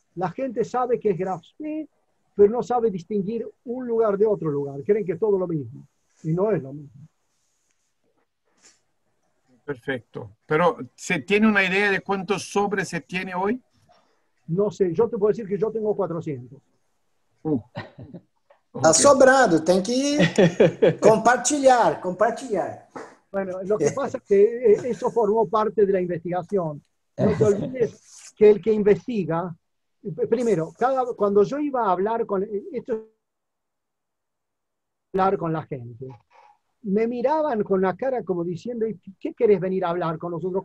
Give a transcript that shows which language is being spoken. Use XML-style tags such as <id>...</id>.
<es>La gente sabe que es Graf Spee, pero no sabe distinguir un lugar de otro lugar. Creen que es todo lo mismo, y no es lo mismo. Perfecto. Pero, ¿se tiene una idea de cuántos sobres se tiene hoy? No sé, yo te puedo decir que yo tengo 400.</es> <pt>Está sobrando, tem que compartilhar, compartilhar.</pt> <es>Bueno, lo que pasa es que eso formó parte de la investigación. No te olvides que el que investiga, primero, cuando yo iba a hablar con esto, hablar con la gente, me miraban con la cara como diciendo, ¿qué querés venir a hablar con nosotros?</es>